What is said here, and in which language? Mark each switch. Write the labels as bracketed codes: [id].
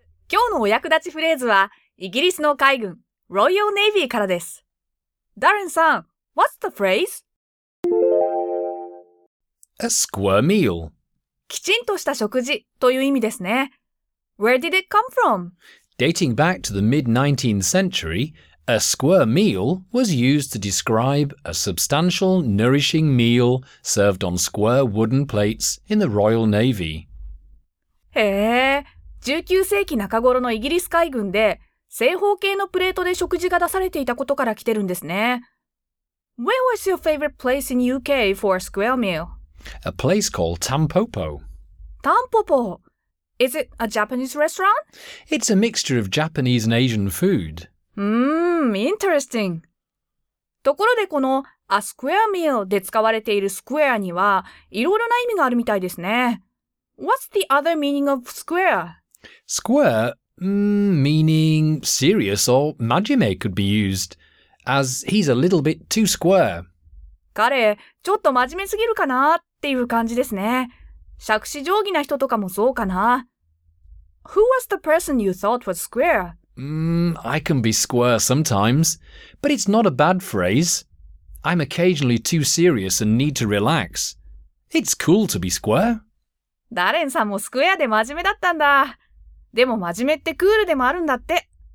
[ja] 今日のお役立ちフレーズはイギリスの海軍ロイヤルネイビーからです。 [en] ダレンさん、What's the phrase? A square meal. [ja] きちんとした食事という意味ですね。 [en] Where did it come from? Dating back to the mid-19th century, a square meal was used to describe a substantial, nourishing meal served on square wooden plates in the Royal Navy. [ja] へえ、19世紀中頃のイギリス海軍で正方形のプレートで食事が出されていたことから来てるんですね。 [en] Where was your favorite place in UK for a square meal? A place called Tampopo. Tampopo? Is it a Japanese restaurant? It's a mixture of Japanese and Asian food. Interesting. [ja] ところでこの [en] a square meal [ja] で使われている square にはいろいろな意味があるみたいですね。 [en] What's the other meaning of square? Square, meaning serious or majime could be used, as he's a little bit too square. [ja] 彼、ちょっと真面目すぎるかなっていう感じですね。杓子定規な人とかもそうかな。 [en] Who was the person you thought was square? I can be square sometimes, but it's not a bad phrase. I'm occasionally too serious and need to relax. It's cool to be square. [ja] ダレンさんもスクエアで真面目だったんだ。でも真面目ってクールでもあるんだって。